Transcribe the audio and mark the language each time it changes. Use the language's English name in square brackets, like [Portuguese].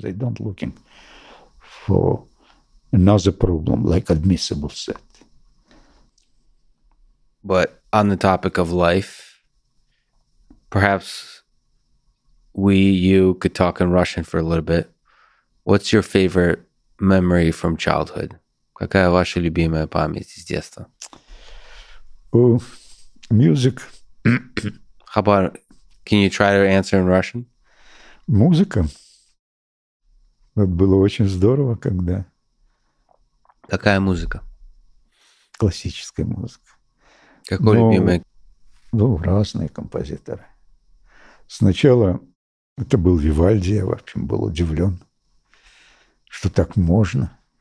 [English] They don't looking for another problem like admissible set. But on the topic of life, perhaps we, you could talk in Russian for a little bit. What's your favorite memory from childhood? [Russian] Какая ваша любимая память из детства? [English] Music. How about, can you try to answer in Russian? [Russian] Музыка. Это было очень здорово, когда... Какая музыка? Классическая музыка. Какой любимый? Разные композиторы. Сначала... Это был Вивальди, я, в общем, был удивлен, что так можно.